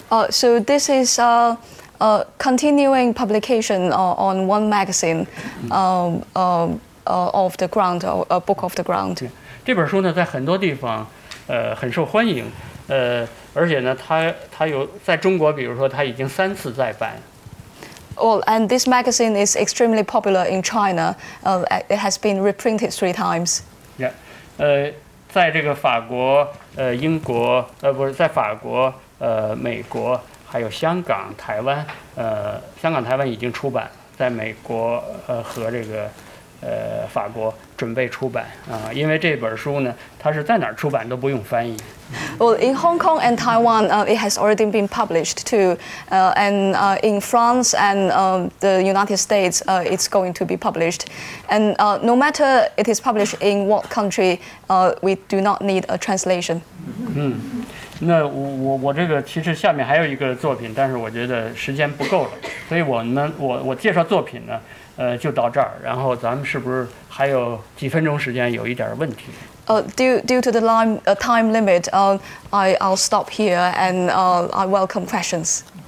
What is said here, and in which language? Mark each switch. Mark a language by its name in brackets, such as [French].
[English] So this is a continuing publication on one magazine of the ground, a book of the ground. [Chinese] 这本书呢，在很多地方，很受欢迎，而且呢，它有在中国，比如说它已经三次再版。 [English] Well, and this magazine is extremely popular in China. It has been reprinted 3 times. Yeah. [Chinese] 在这个法国、英国、不是在法国、美国还有香港、台湾、香港、台湾已经出版，在美国和这个法国准备出版啊、因为这本书呢，它是在哪儿出版都不用翻译。 [English] Well, in Hong Kong and Taiwan, it has already been published too, and in France and the United States, it's going to be published. And no matter it is published in what country, we do not need a translation. [Chinese] 那我这个其实下面还有一个作品，但是我觉得时间不够了，所以我介绍作品呢，就到这儿。然后咱们是不是还有几分钟时间？有一点问题。 [English] Due to the time limit, I'll stop here and I welcome questions.